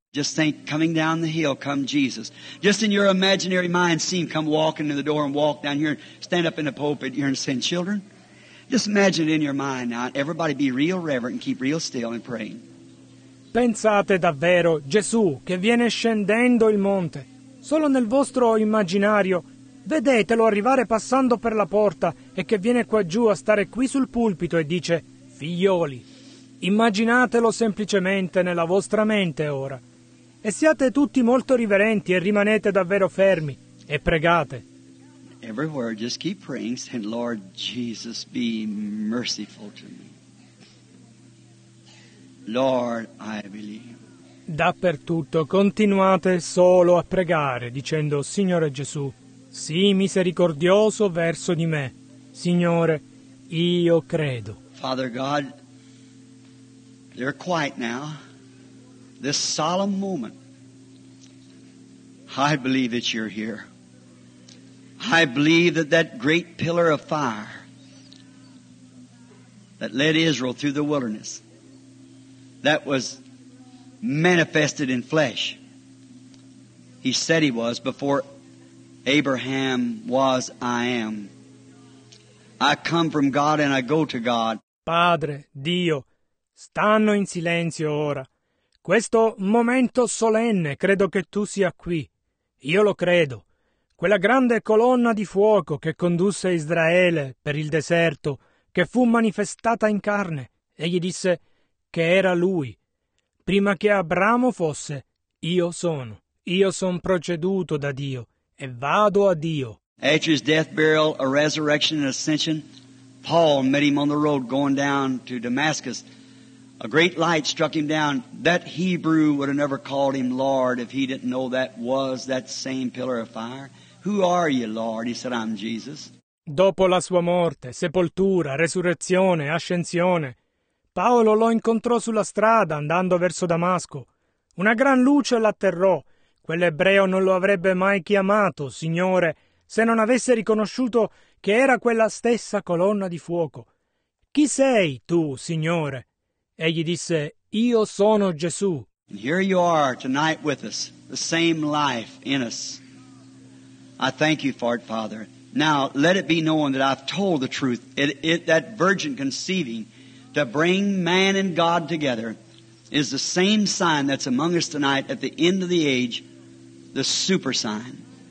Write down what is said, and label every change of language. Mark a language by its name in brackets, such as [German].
[English] Just think, coming down the hill, come Jesus. Just in your imaginary mind, see him come walking in the door and walk down here, stand up in the pulpit here and send children. Just imagine it in your mind now. Everybody be real reverent and keep real still and pray. [Italian] Pensate davvero, Gesù che viene scendendo il monte, solo nel vostro immaginario, vedetelo arrivare passando per la porta e che viene qua giù a stare qui sul pulpito e dice, figlioli, immaginatelo semplicemente nella vostra mente ora. E siate tutti molto riverenti e rimanete davvero fermi e pregate. [English] Everywhere, just keep praying, saying, Lord Jesus, be merciful to me. Lord, I believe. [Italian] Dappertutto, continuate solo a pregare, dicendo, Signore Gesù, sii misericordioso verso di me. Signore, io credo. [English] Father God, they're quiet now. This solemn moment. I believe that you're here. I believe that that great pillar of fire that led Israel through the wilderness, that was manifested in flesh. He said he was before Abraham was, I am. I come from God and I go to God. [Italian] Padre, Dio, stanno in silenzio ora. Questo momento solenne, credo che tu sia qui. Io lo credo. Quella grande colonna di fuoco che condusse Israele per il deserto, che fu manifestata in carne, e gli disse che era lui. Prima che Abramo fosse, io sono. Io son proceduto da Dio e vado a Dio. [English] After his death, burial, a resurrection, and ascension, Paul met him on the road going down to Damascus. A great light struck him down. That Hebrew would have never called him Lord if he didn't know that was that same pillar of fire. Who are you, Lord? He said, I'm Jesus. [Italian] Dopo la sua morte, sepoltura, resurrezione, ascensione, Paolo lo incontrò sulla strada andando verso Damasco. Una gran luce l'atterrò. Quell'ebreo non lo avrebbe mai chiamato Signore se non avesse riconosciuto che era quella stessa colonna di fuoco. Chi sei tu, Signore? Egli disse, io sono Gesù. [English] And here you are tonight with us, the same life in us. I thank you for it, Father. Now, let it be known that I've told the truth. That virgin conceiving to bring man and God together is the same sign that's among us tonight at the end of the age, the super sign.